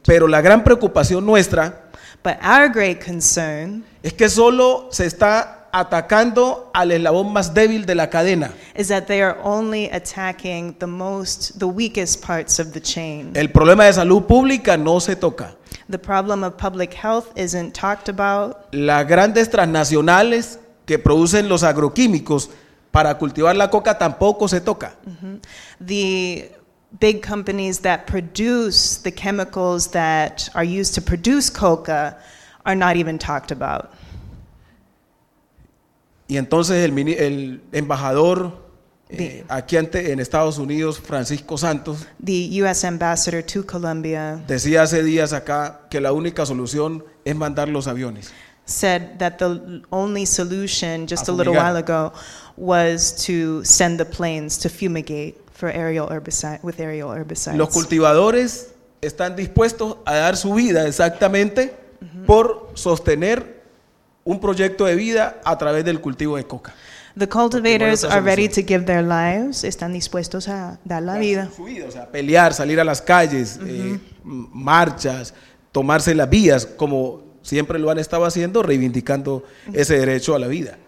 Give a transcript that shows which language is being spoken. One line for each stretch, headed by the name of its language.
Spanish: Pero la gran preocupación nuestra,
English: but our great concern,
Spanish: es que solo se está atacando al eslabón más débil de la cadena.
English: Is that they are only attacking the weakest parts of the chain.
Spanish: El problema de salud pública no se toca.
English: The problem of public health isn't talked about.
Spanish: Las grandes transnacionales que producen los agroquímicos para cultivar la coca tampoco se toca.
English: Mm-hmm. The big companies that produce the chemicals that are used to produce coca are not even talked about.
Spanish: Y entonces el embajador aquí ante en Estados Unidos, Francisco Santos,
English: the U.S. ambassador to Colombia,
Spanish: decía hace días acá que la única solución es mandar los aviones.
English: Said that the only solution just a little while ago was to send the planes to fumigate for aerial herbicide with aerial herbicides.
Spanish: Los cultivadores están dispuestos a dar su vida exactamente por sostener un proyecto de vida a través del cultivo de coca.
English: The cultivators are ready to give their lives,
Spanish: están dispuestos a dar la vida. Su vida, o sea, pelear, salir a las calles, marchas, tomarse las vías como siempre lo han estado haciendo, reivindicando ese derecho a la vida.